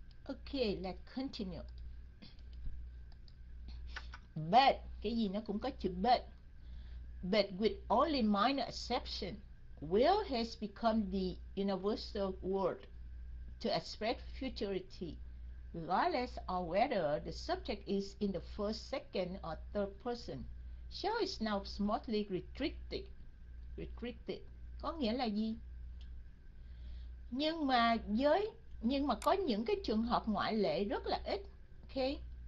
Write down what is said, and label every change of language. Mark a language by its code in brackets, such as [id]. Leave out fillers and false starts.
[en] Okay, let's continue. [vi] But, cái gì nó cũng có chữ but. [en] But with only minor exception, will has become the universal word to express futurity, regardless of whether the subject is in the first, second, or third person. Shall is now smartly restricted. [vi] Restricted có nghĩa là gì? Nhưng mà có những cái trường hợp ngoại lệ rất là ít. Ok, Okay.